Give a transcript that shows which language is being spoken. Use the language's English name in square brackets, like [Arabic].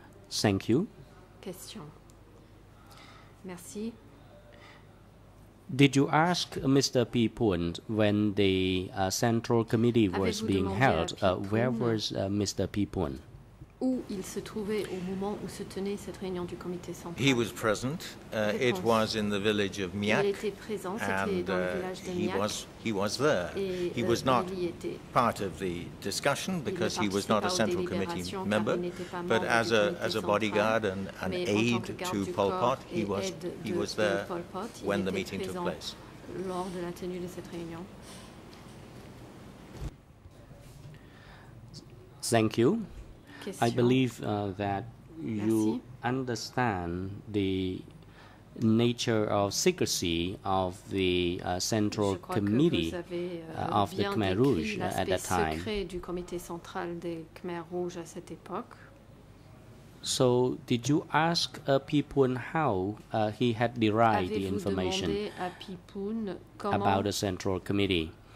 [English] Thank you. [French] Question. Merci. [English] Did you ask Mr. P. Poon when the Central Committee was being held? Where was Mr. P. Poon? [French] Où il se trouvait au moment où se tenait cette réunion du comité central? [English] He was present. It was in the village of Miak. [French] Il était présent, c'était dans le village de Miak. [English] He was there. He was not part of the discussion because he was not a Central Committee member, but as a bodyguard and an aide to Pol Pot, he was there when the meeting took place. [French] Lors de la tenue de cette réunion. [English] Thank you. I believe that you [French] Merci. [English] Understand the nature of secrecy of the Central Committee of the Khmer Rouge at that time. [French] Du comité central des Khmer Rouge à cette époque. [English] So did you ask P. Poon how he had derived the information about the Central Committee?